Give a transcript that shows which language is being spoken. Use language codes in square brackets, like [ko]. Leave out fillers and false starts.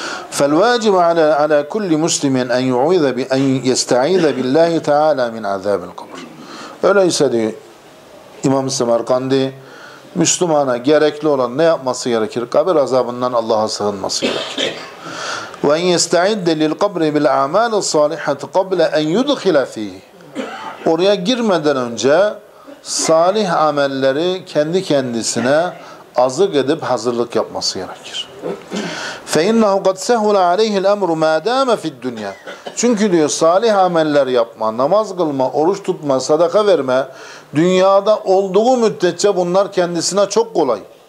[ar] فالواجب على كل مسلم أن يعوذ بأن يستعيذ بالله تعالى من عذاب القبر. [tr] Öyleyse de İmam Semerkandi Müslümana gerekli olan ne yapması gerekir? Kabir azabından Allah'a sığınması gerekir. [ar] وأن يستعد للقبر بالأعمال الصالحة قبل أن يدخل فيه. [tr] Oraya girmeden önce salih amelleri kendi kendisine azık edip hazırlık yapması gerekir. [ar] فَاِنَّهُ قَدْ سَهُلَ عَلَيْهِ الْأَمْرُ مَا دَامَ فِي الدُّنْيَا. [tr] Çünkü diyor salih ameller yapma, namaz kılma, oruç tutma, sadaka verme, dünyada olduğu müddetçe bunlar kendisine çok kolay.